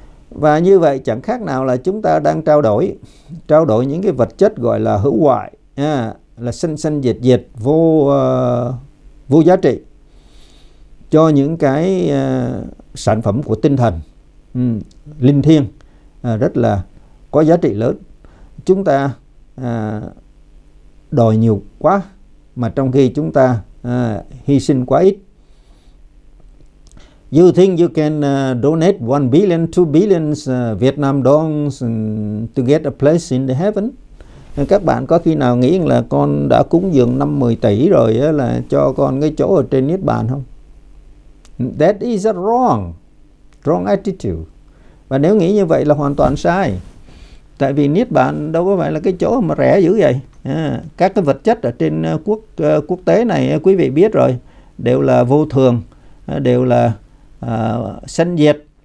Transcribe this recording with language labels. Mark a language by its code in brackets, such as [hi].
[vi] Và như vậy chẳng khác nào là chúng ta đang trao đổi những cái vật chất gọi là hữu hoại, là sanh sanh diệt diệt, vô vô giá trị, cho những cái sản phẩm của tinh thần linh thiêng, rất là có giá trị lớn. Chúng ta đòi nhiều quá mà trong khi chúng ta hy sinh quá ít. [en] You think you can donate 1 billion 2 billion Vietnam dongs to get a place in the heaven? [vi] Các bạn có khi nào nghĩ là con đã cúng dường 5-10 tỷ rồi á, là cho con cái chỗ ở trên Niết Bàn không? [en] That is a wrong attitude. [vi] Và nếu nghĩ như vậy là hoàn toàn sai. Tại vì Niết Bàn đâu có phải là cái chỗ mà rẻ dữ vậy. Các cái vật chất ở trên quốc tế này quý vị biết rồi, đều là vô thường, đều là sanh diệt.